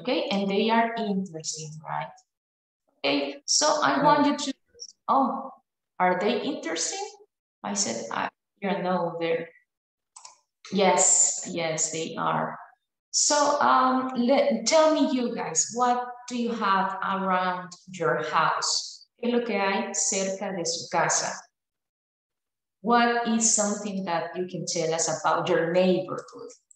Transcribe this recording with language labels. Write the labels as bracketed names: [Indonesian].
[English] Okay, and they are interesting, right? Okay, so I want you to. Oh. Are they interesting? I said, yes, they are. So tell me, you guys, what do you have around your house? [Spanish] ¿Qué es lo que hay cerca de su casa? [English] What is something that you can tell us about your neighborhood?